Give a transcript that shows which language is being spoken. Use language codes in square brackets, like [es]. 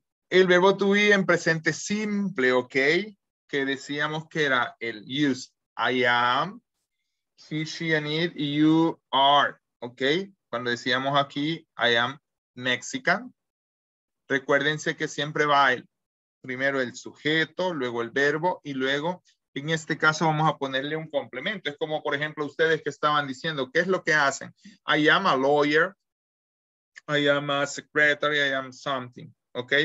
[es] El verbo to be en presente simple, ok, que decíamos que era el use. [en] I am, he, she, and it, you are, ok. [es] Cuando decíamos aquí, [en] I am Mexican. [es] Recuérdense que siempre va primero el sujeto, luego el verbo y luego En este caso vamos a ponerle un complemento. Es como, por ejemplo, ustedes que estaban diciendo, ¿qué es lo que hacen? [en] I am a lawyer. I am a secretary. I am something. ¿Ok?